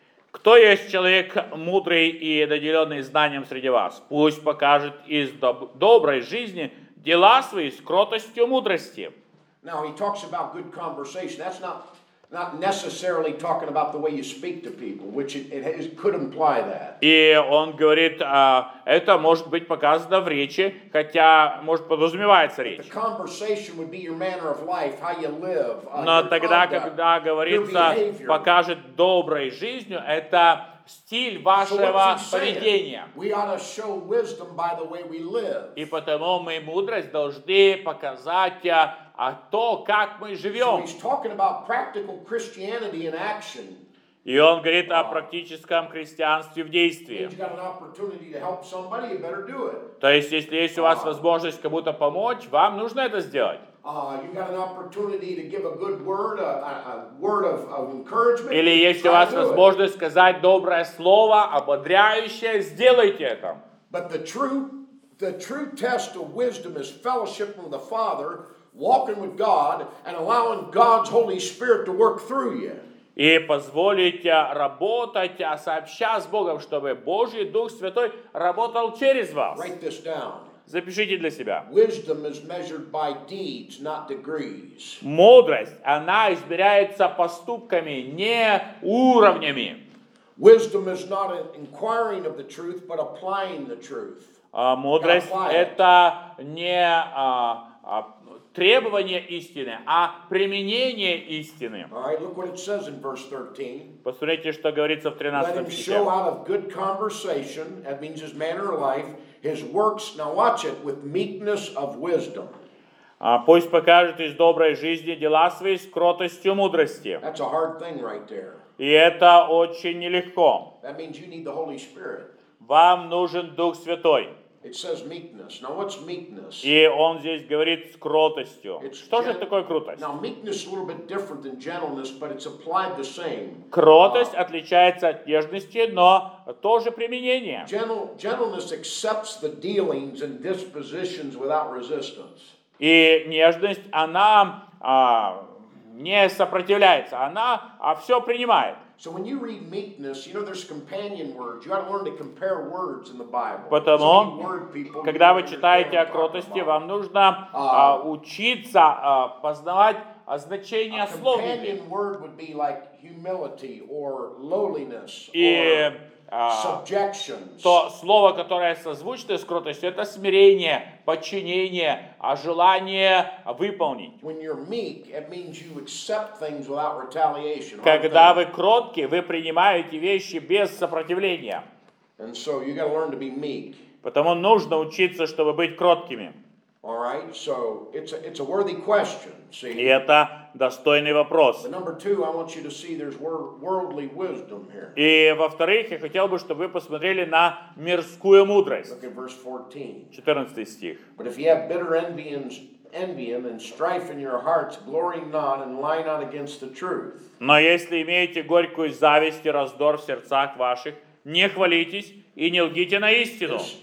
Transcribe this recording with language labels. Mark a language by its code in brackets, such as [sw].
[ru] Кто есть человек мудрый и наделенный знанием среди вас? Пусть покажет из доброй жизни дела свои с кротостью мудрости. [en] Now he talks about good conversation. That's not necessarily talking about the way you speak to people, which it could imply that. [ru] И он говорит, это может быть показано в речи, хотя может подразумевается речь. [en] The conversation would be your manner of life, how you live. [ru] Но тогда, когда говорится, покажет доброй жизнью, это стиль вашего поведения. [en] We ought to show wisdom by the way we live. [ru] И потому мы мудрость должны показать. А то, как мы живем. [en] So he's talking about practical Christianity in action. [ru] И он говорит о практическом христианстве в действии. [en] If you've got an opportunity to help somebody, you better do it. [ru] То есть, если есть у вас возможность кому-то помочь, вам нужно это сделать. [en] You got an opportunity to give a good word, a word of encouragement. [ru] Или если у вас возможность сказать доброе слово, ободряющее, сделайте это. [en] But the true test of wisdom is fellowship with the Father. Walking with God and allowing God's Holy Spirit to work through you. [ru] И позволить работать, сообща с Богом, чтобы Божий Дух Святой работал через вас. [en] Write this down. [ru] Запишите для себя. [en] Wisdom is measured by deeds, not degrees. [ru] Мудрость, она измеряется поступками, не уровнями. [en] Wisdom is not an inquiring of the truth, but applying the truth. [ru] Мудрость это не требование истины, а применение истины. Посмотрите, что говорится в 13 стихе. Пусть покажет из доброй жизни дела свои с кротостью мудрости. [en] That's a hard thing right there. [ru] И это очень нелегко. [en] That means you need the Holy Spirit. [ru] Вам нужен Дух Святой. [en] It says meekness. Now what's meekness? [ru] И он здесь говорит с кротостью. Что же такое крутость? [en] Now meekness is a little bit different than gentleness, but it's applied the same. [ru] Кротость отличается от нежности, но тоже применение. [en] Gentleness accepts the dealings and dispositions without resistance. [ru] И нежность, она не сопротивляется, она все принимает. [en] So when you read meekness, you know there's companion words. You got to learn to compare words in the Bible. [ru] Потому, когда вы читаете о кротости, вам нужно учиться познавать значение слов. [en] A companion word would be like humility or lowliness. [ru] И то слово, которое созвучно с кротостью, это смирение, подчинение, а желание выполнить. Когда вы кротки, вы принимаете вещи без сопротивления. [en] And so you got to learn to be meek. [ru] Потому нужно учиться, чтобы быть кроткими. [en] All right, so it's a worthy question. See. [ru] И это достойный вопрос. [en] But number two, I want you to see there's worldly wisdom here. [ru] И во-вторых, я хотел бы, чтобы вы посмотрели на мирскую мудрость. [en] Look at verse 14. [ru] 14 стих. [en] But if you have bitter envy and strife in your hearts, glory not and lie not against the truth. [ru] Но если имеете горькую зависть и раздор в сердцах ваших, не хвалитесь и не лгите на истину.